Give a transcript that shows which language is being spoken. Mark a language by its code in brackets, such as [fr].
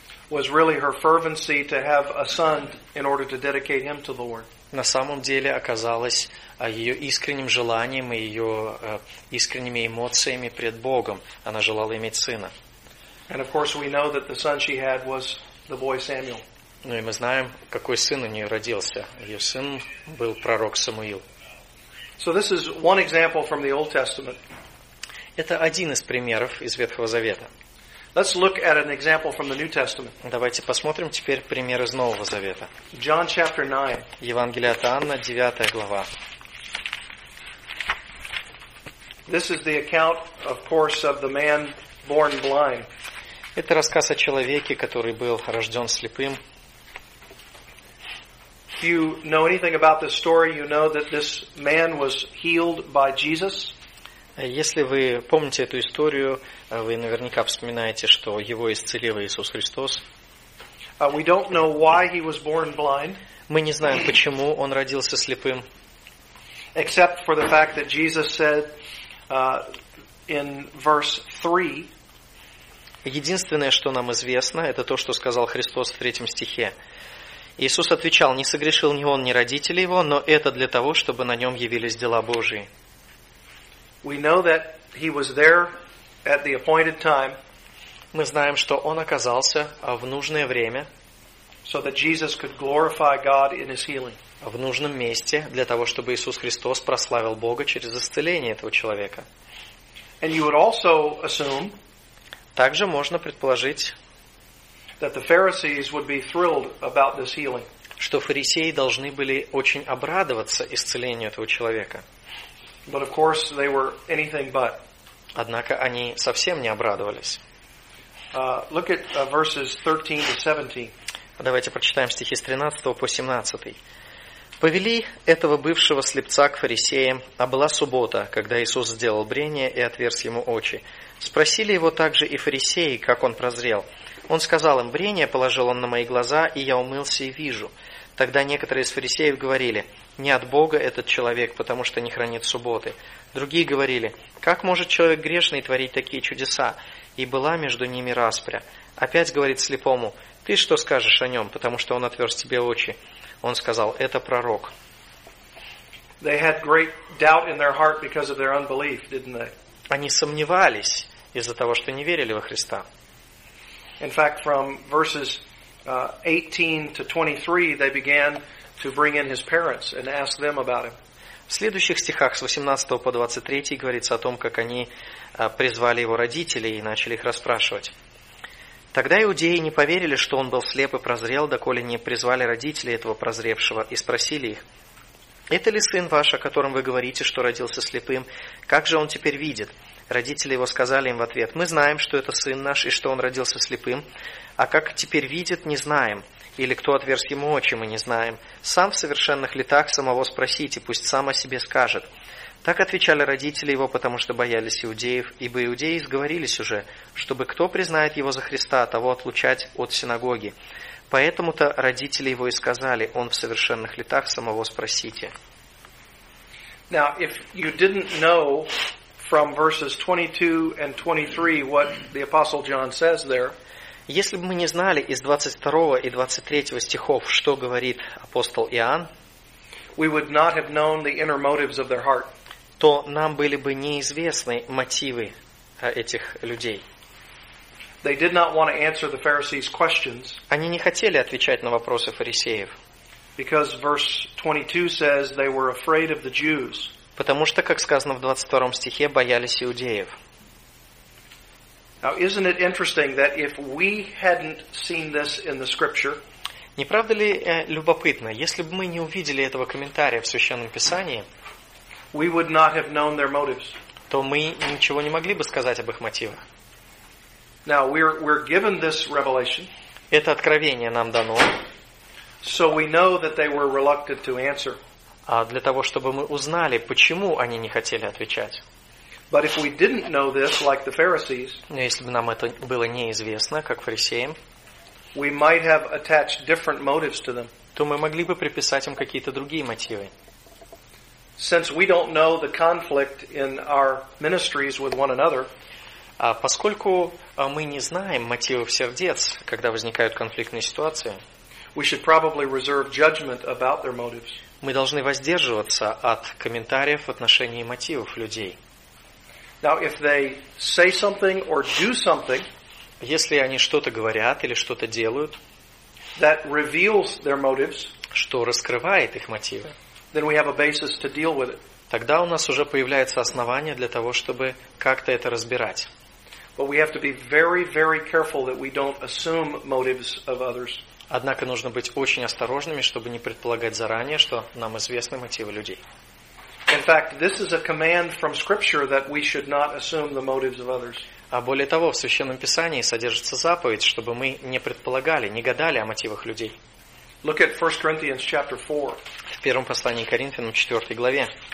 [en] was really her fervency to have a son in order to dedicate him to the Lord. [ru] на самом деле оказалась ее искренним желанием и ее искренними эмоциями пред Богом. Она желала иметь сына. [en] And of course we know that the son she had was the boy Samuel. [ru] Ну и мы знаем, какой сын у нее родился. Ее сын был пророк Самуил. [en] So this is one example from the Old Testament. [ru] Это один из примеров из Ветхого Завета. [en] Let's look at an example from the New Testament. [ru] Давайте посмотрим теперь пример из Нового Завета. [en] John chapter 9. [ru] Евангелие от Иоанна, 9 глава. [en] This is the account, of course, of the man born blind. [ru] Это рассказ о человеке, который был рожден слепым. [en] If you know anything about this story, you know that this man was healed by Jesus. [ru] Если вы помните эту историю, вы наверняка вспоминаете, что его исцелил Иисус Христос. [en] We don't know why he was born blind. [ru] Мы не знаем, почему он родился слепым. [en] Except for the fact that Jesus said in verse 3. [ru] Единственное, что нам известно, это то, что сказал Христос в третьем стихе. Иисус отвечал: «Не согрешил ни он, ни родители его, но это для того, чтобы на нем явились дела Божии». [en] We know that he was there at the appointed time. [ru] Мы знаем, что он оказался в нужное время. [en] So that Jesus could glorify God in his healing. [ru] В нужном месте для того, чтобы Иисус Христос прославил Бога через исцеление этого человека. [en] And you would also assume. [ru] Также можно предположить. [en] That the Pharisees would be thrilled about this healing. [ru] Что фарисеи должны были очень обрадоваться исцелению этого человека. [en] But of course they were anything but. [ru] Однако они совсем не обрадовались. [en] Look at verses 13 to 17. [ru] Давайте прочитаем стихи с 13 по 17. Повели этого бывшего слепца к фарисеям, а была суббота, когда Иисус сделал брение и отверз ему очи. Спросили его также и фарисеи, как он прозрел. Он сказал им: «Брение положил он на мои глаза, и я умылся и вижу». Тогда некоторые из фарисеев говорили: «Не от Бога этот человек, потому что не хранит субботы». Другие говорили: «Как может человек грешный творить такие чудеса?» И была между ними распря. Опять говорит слепому: «Ты что скажешь о нем, потому что он отверз тебе очи?» Он сказал: «Это пророк». [en] They had great doubt in their heart because of their unbelief, didn't they? [ru] Они сомневались из-за того, что не верили во Христа. [en] In fact, from verses 18 to 23, they began to bring in his parents and ask them about him. [ru] В следующих стихах с 18 по 23 говорится о том, как они призвали его родителей и начали их расспрашивать. Тогда иудеи не поверили, что он был слеп и прозрел, доколе не призвали родителей этого прозревшего и спросили их: «Это ли сын ваш, о котором вы говорите, что родился слепым? Как же он теперь видит?» Родители его сказали им в ответ: «Мы знаем, что это сын наш и что он родился слепым, а как теперь видит, не знаем. Или кто отверз ему очи, мы не знаем. Сам в совершенных летах самого спросите, пусть сам о себе скажет». Так отвечали родители его, потому что боялись иудеев, ибо иудеи сговорились уже, чтобы кто признает его за Христа, того отлучать от синагоги. Поэтому-то родители его и сказали: «Он в совершенных летах самого спросите». [en] Now, if you didn't know from verses 22 and 23 what the Apostle John says there, [ru] если бы мы не знали из 22 и 23 стихов, что говорит апостол Иоанн, [en] we would not have known the inner motives of their heart. [ru] То нам были бы неизвестны мотивы этих людей. [en] They did not want to answer the Pharisees' questions. [ru] Они не хотели отвечать на вопросы фарисеев. [en] Because verse 22 says they were afraid of the Jews. [ru] Потому что, как сказано в 22 стихе, боялись иудеев. [en] Now, isn't it interesting that if we hadn't seen this in the Scripture, [ru] не правда ли любопытно, если бы мы не увидели этого комментария в Священном Писании, [en] we would not have known their motives. [ru] То мы ничего не могли бы сказать об их мотивах. [en] Now, we're given this revelation. [ru] Это откровение нам дано. [en] So we know that they were reluctant to answer. [ru] А для того, чтобы мы узнали, почему они не хотели отвечать. [en] But if we didn't know this, like the Pharisees, [ru] но если бы нам это было неизвестно, как фарисеям, [en] we might have attached different motives to them. [ru] То мы могли бы приписать им какие-то другие мотивы. [en] Since we don't know the conflict in our ministries with one another, [ru] поскольку мы не знаем мотивов сердец, когда возникают конфликтные ситуации, [en] we should probably reserve judgment about their motives. [ru] мы должны воздерживаться от комментариев в отношении мотивов людей. [en] Now, if they say something or do something, [ru] если они что-то говорят или что-то делают, [en] that reveals their motives, [ru] что раскрывает их мотивы, [en] then we have a basis to deal with it. [ru] Тогда у нас уже появляется основание для того, чтобы как-то это разбирать. Однако нужно быть очень осторожными, чтобы не предполагать заранее, что нам известны мотивы людей. [en] In fact, this is a command from Scripture that we should not assume the motives of others. [ru] А более того, в Священном Писании содержится заповедь, чтобы мы не предполагали, не гадали о мотивах людей. [en] Look at 1 Corinthians chapter 4. [ru] В первом послании к Коринфянам, 4 главе.